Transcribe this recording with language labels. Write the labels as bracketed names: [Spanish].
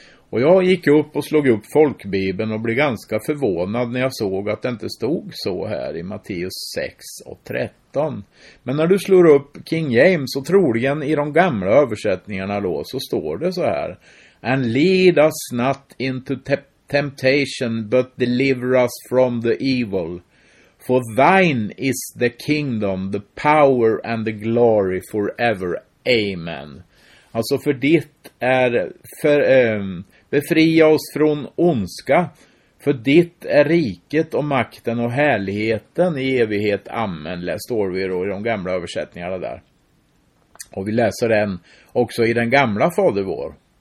[Swedish] Och jag gick upp och slog upp folkbibeln och blev ganska förvånad när jag såg att det inte stod så här i Matteus 6 och 13. Men när du slår upp King James och troligen i de gamla översättningarna då, så står det så här: [English] and lead us not into temptation, but deliver us from the evil. For thine is the kingdom, the power and the glory forever. Amen. [Swedish] Alltså för ditt är, för befria oss från ondska. För ditt är riket och makten och härligheten i evighet. Amen. Står vi då i de gamla översättningarna där. Och vi läser den också i den gamla Fader vår.